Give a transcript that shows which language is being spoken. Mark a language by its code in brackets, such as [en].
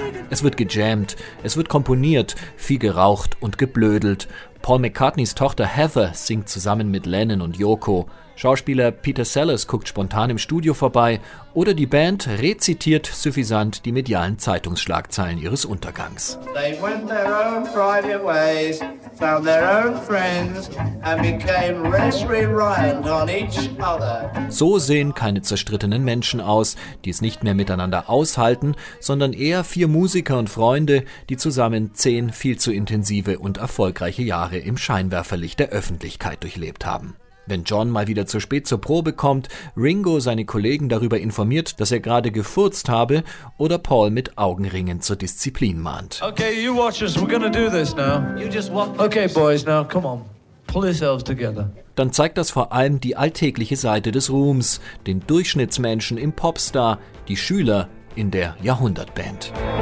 [de] Es wird gejammt, es wird komponiert, viel geraucht und geblödelt. Paul McCartneys Tochter Heather singt zusammen mit Lennon und Yoko. Schauspieler Peter Sellers guckt spontan im Studio vorbei oder die Band rezitiert süffisant die medialen Zeitungsschlagzeilen ihres Untergangs. [en] They went their own private ways, found their own friends and became less reliant on each other. [de] So sehen keine zerstrittenen Menschen aus, die es nicht mehr miteinander aushalten, sondern eher vier Musiker und Freunde, die zusammen 10 viel zu intensive und erfolgreiche Jahre im Scheinwerferlicht der Öffentlichkeit durchlebt haben. Wenn John mal wieder zu spät zur Probe kommt, Ringo seine Kollegen darüber informiert, dass er gerade gefurzt habe, oder Paul mit Augenringen zur Disziplin mahnt. [en] Okay, you watch us, we're gonna do this now. You just watch. Okay, boys, now come on, pull yourselves together. [de] Dann zeigt das vor allem die alltägliche Seite des Ruhms, den Durchschnittsmenschen im Popstar, die Schüler in der Jahrhundertband.